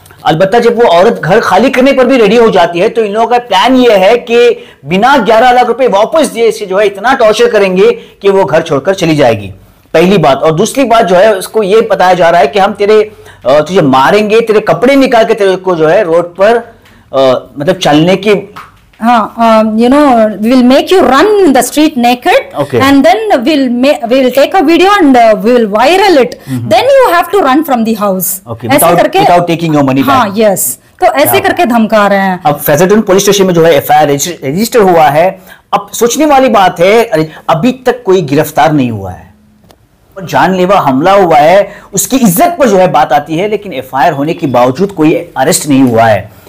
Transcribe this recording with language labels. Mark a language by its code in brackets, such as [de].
[hi] अलबत्ता जब वो औरत घर खाली करने पर भी रेडी हो जाती है तो इन लोगों का प्लान ये है कि बिना 11 लाख रुपए वापस दिए इसे जो है इतना टॉर्चर करेंगे कि वो घर छोड़कर चली जाएगी, पहली बात। और दूसरी बात जो है उसको ये बताया जा रहा है कि हम तेरे तुझे मारेंगे, तेरे कपड़े निकाल के तेरे को जो है रोड पर मतलब चलने की [en] You know, we will make you run in the street naked, okay. And then we'll take a video and we'll viral it. Mm-hmm. Then you have to run from the house. Okay. Without taking your money back. [hi] हाँ, yes. तो ऐसे करके धमका रहे हैं. अब फैजेटन police station में जो है FIR रजिस्टर हुआ है. अब सोचने वाली बात है, अभी तक कोई गिरफ्तार नहीं हुआ है, जानलेवा हमला हुआ है, उसकी इज्जत पर जो है बात आती है, लेकिन FIR होने के बावजूद कोई अरेस्ट नहीं हुआ है.